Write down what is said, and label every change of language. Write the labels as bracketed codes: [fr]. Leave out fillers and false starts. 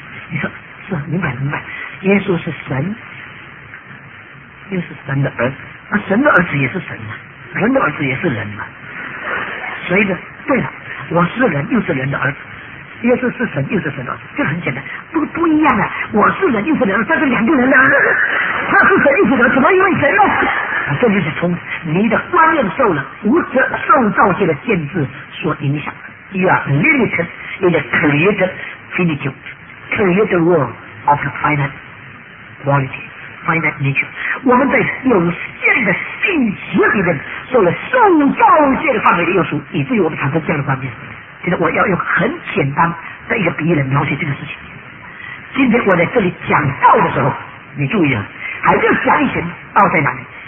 [zh] 你说是啊，明白明白，耶稣是神又是神的儿子，那神的儿子也是神嘛，人的儿子也是人嘛，所以呢，对了，我是人又是人的儿子，耶稣是神又是神的儿子，这很简单，不一样的，我是人又是人的儿子，但是两个人的儿子，他是神又是人，怎么一位神呢？这就是从你的观念受了无知受造界的限制所影响的。 [en] You are limited in the created finitude, created world of the finite quality, finite nature. [zh] 我们在有限的性质里面受了受造界的范围的约束，以至于我们产生这样的观念。现在我要用很简单的一个比喻来描写这个事情。今天我在这里讲道的时候，你注意了，还要讲一些道在哪里？